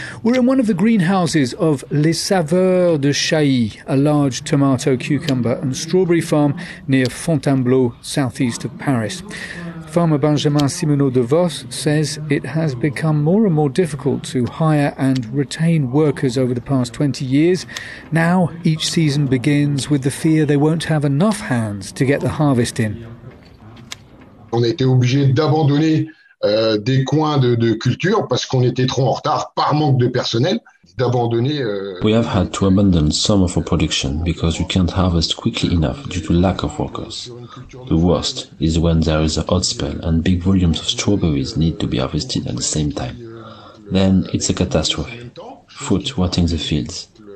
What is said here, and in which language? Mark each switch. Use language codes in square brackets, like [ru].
[en] We're in one of the greenhouses of Les Saveurs de Chailly, a large tomato, cucumber and strawberry farm near Fontainebleau, southeast of Paris. Farmer Benjamin Simoneau de Vos says it has become more and more difficult to hire and retain workers over the past 20 years. Now, each season begins with the fear they won't have enough hands to get the harvest in. [fr] On a été obligé d'abandonner des coins de culture parce qu'on était trop en retard par manque de personnel. [en] We have had to abandon some of our production because we can't harvest quickly enough due to lack of workers. The worst is when there is a hot spell and big volumes of strawberries need to be harvested at the same time. Then it's a catastrophe. Fruit rotting the fields.